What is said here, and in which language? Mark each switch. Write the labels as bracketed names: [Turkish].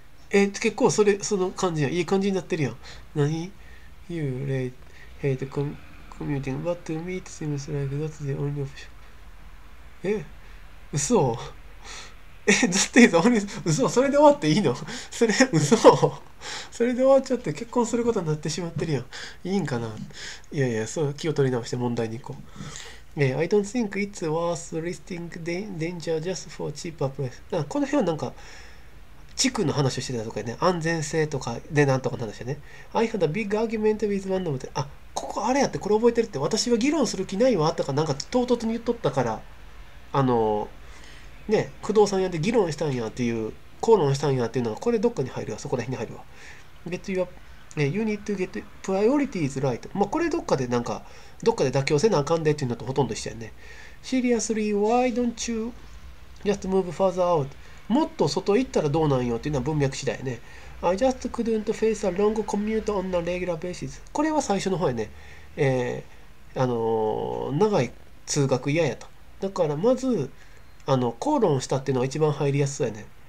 [Japanese] 結構それ、その感じや、いい感じになってるやん。何？ [English] You late hate commuting, but to me it seems like that's the only option. [Japanese] 嘘？だって only 嘘？それで終わっていいの？それ、嘘？それで終わっちゃって結婚することになってしまってるやん。いいんかな？いやいや、そう、気を取り直して問題に行こう。 [English] I don't think it's worth risking danger just for cheaper price. [Japanese] この辺はなんか、地区の話をしてたとかね、安全性とか、で、なんとかの話ね。 [English] I had a big argument with one of the... [Japanese] あ、ここあれやって、これ覚えてるって、私は議論する気ないわ、とか、なんか唐突に言っとったから、ね、不動産屋で議論したんやっていう、口論したんやっていうのは、これどっかに入るわ、そこら辺に入るわ。 [English] Get your... You need to get priorities right. [Japanese] まあ、これどっかでなんか、どっかで妥協せなあかんでっていうのとほとんど一緒やね。 [English] Seriously, why don't you just move further out? [Japanese] もっと外行ったらどうなんよっていうのは文脈次第ね。 [English] I just couldn't face a long commute on a regular basis. [Japanese] これは最初の方やね。長い通学嫌やと。だからまず、口論したっていうのが一番入りやすそうやね。